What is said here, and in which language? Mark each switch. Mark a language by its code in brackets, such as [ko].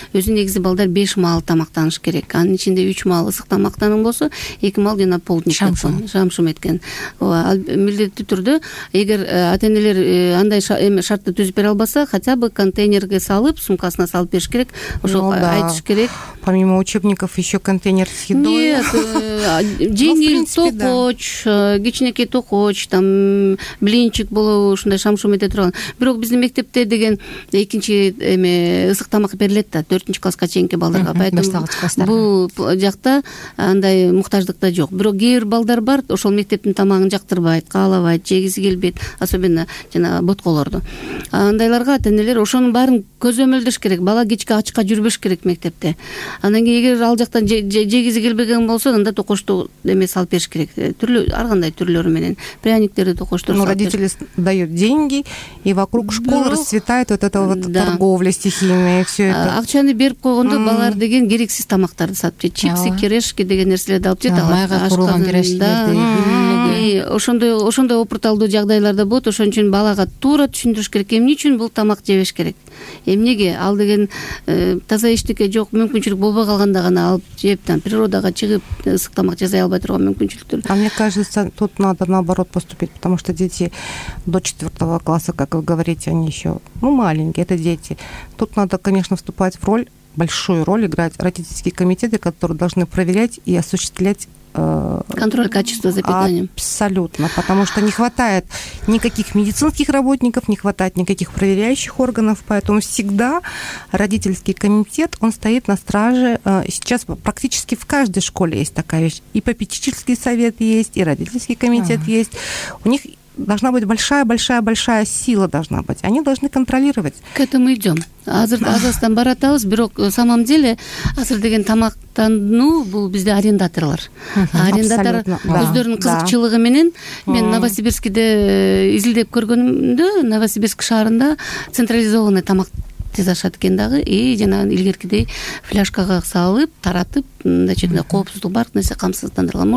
[ky] Өзү негизи балдар 5 маал тамактаныш керек. Анын ичинде 3 маал ысык тамактануу болсо, 2 маал жана полдник шамшум. Шамшум эткен. Ооба, милдеттүү түрдө эгер ата-энелер андай шартты түзүп бере албаса, [ru] хотя бы [ky] контейнерге салып, сумкасына салып бериш керек. Ошо айтыш керек. [ru] Помимо учебников еще контейнер с едой. Нет, [ky] жеңил токоч, кичинекей токоч, там блинчик болобу, ушундай шамшум эте турган. Бирок биздин мектепте деген экинчи эме ысык тамак берилет да, 4-нчү класска чейинки балдарга. Бул жакта андай муктаждык да жок. Бирок кээ бир балдар бар, ошол мектептин тамагын жактырбайт, каалабайт, жегиси келбейт, особенно жана ботколорду. Андайларга ата-энелер ошонун баарын көзөмөлдөш керек. Бала кечке ачка жүрбөш керек мектепте. Анан кийин эгер ал жактан жегизи келбеген болсо, анда токочту эме салып бериш керек. Түрлүү ар кандай түрлөрү менен пряниктерди токочтор салат. [ru] Родители дают деньги, и вокруг школы расцветает вот эта вот торговля стихийная, всё это. [ky] Акчаны берип койгондо балар деген керексиз тамактарды сатып жейт. Чипсы, кирешки деген нерселерди алып жейт. Майга курулган кирешкилерди. Ошондой опурталдуу жагдайларда болот. Ошон үчүн балага туура түшүндүрүш керек. Эмне үчүн бул тамак жебеш керек? Эмнеге ал деген таза эчтеке жок, мүмкүнчүлүк болбой калганда гана алып жеп, там природага чыгып ысык тамак жасай албай турган мүмкүнчүлүктөр. [ru] А мне кажется, тут надо наоборот поступить, потому что дети до 4 класса, как вы говорите, они еще маленькие, это дети. Тут надо, конечно, вступать в роль, большую роль играть родительские комитеты, которые должны проверять и осуществлять контроль качества за питанием. Абсолютно, потому что не хватает никаких медицинских работников, не хватает никаких проверяющих органов, поэтому всегда родительский комитет, он стоит на страже. Сейчас практически в каждой школе есть такая вещь. И попечительский совет есть, и родительский комитет есть. У них должна быть большая-большая-большая сила должна быть. Они должны контролировать. К этому идем. [ky] Азырдан баратабыз, бирок [ru] самом деле [ky] азыр деген тамактануу бул бизде арендаторлор. Арендатор өздөрүнүн кызыкчылыгы менен мен Новосибирскиде изилдеп көргөнүмдө Новосибирск шаарында централизованный тамак тез ашат экен дагы, и жанагы илгеркидей фляжкага салып таратып, мындай жерде коопсуздук бар нерсе камсыздандырылган.